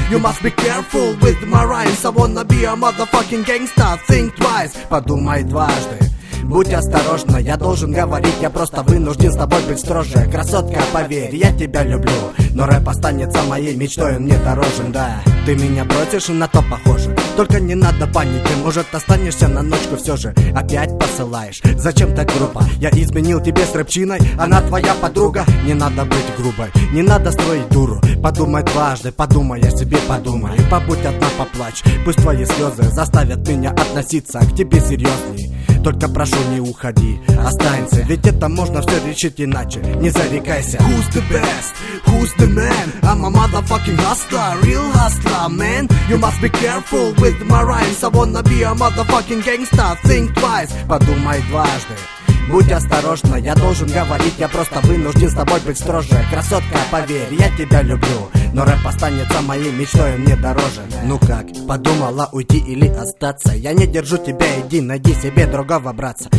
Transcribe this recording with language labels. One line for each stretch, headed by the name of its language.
English: You must be careful with my rhymes. I wanna be a motherfucking gangster. Think twice,
Russian: подумай дважды. Будь осторожна, я должен говорить, я просто вынужден с тобой быть строже. Красотка, поверь, я тебя люблю, но рэп останется моей мечтой, он мне дорожен, да. Ты меня бросишь, и на то похоже, только не надо паники, может останешься на ночку все же. Опять посылаешь, зачем так грубо? Я изменил тебе с рэпчиной, она твоя подруга. Не надо быть грубой, не надо строить дуру. Подумай дважды, подумай о себе, подумай. Побудь одна, поплачь, пусть твои слезы заставят меня относиться к тебе серьезней. Только прошу, не уходи, останься. Ведь это можно все решить иначе, не зарекайся.
English: Who's the best? Who's the man? I'm a motherfucking hustler, real hustler, man. You must be careful with my rhymes. I wanna be a motherfucking gangster. Think twice,
Russian: подумай дважды. Будь осторожна, я должен говорить, я просто вынужден с тобой быть строже. Красотка, поверь, я тебя люблю, но рэп останется моей мечтой, мне дороже. Ну как, подумала уйти или остаться? Я не держу тебя, иди, найди себе другого братца.